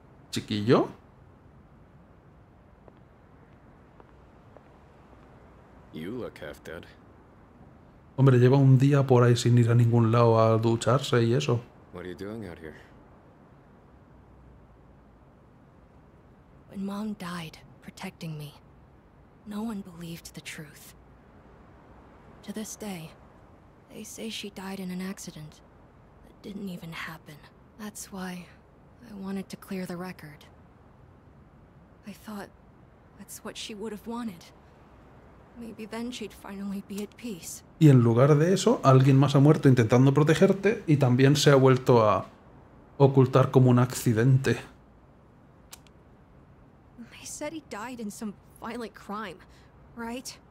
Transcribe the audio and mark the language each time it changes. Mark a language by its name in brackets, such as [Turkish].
[Spanish] ¿Chiquillo? [English] You look half dead. [Spanish] Hombre, lleva un día por ahí sin ir a ningún lado a ducharse y eso. [English] What are you doing out here? When Mom died protecting me, no one believed the truth. To this day, they say she died in an accident that didn't even happen. That's why I wanted to clear the record. I thought that's what she would have wanted. Maybe then she'd finally be at peace. [Spanish] Y en lugar de eso, alguien más ha muerto intentando protegerte y también se ha vuelto a ocultar como un accidente. [English] They said he died in some violent crime, right?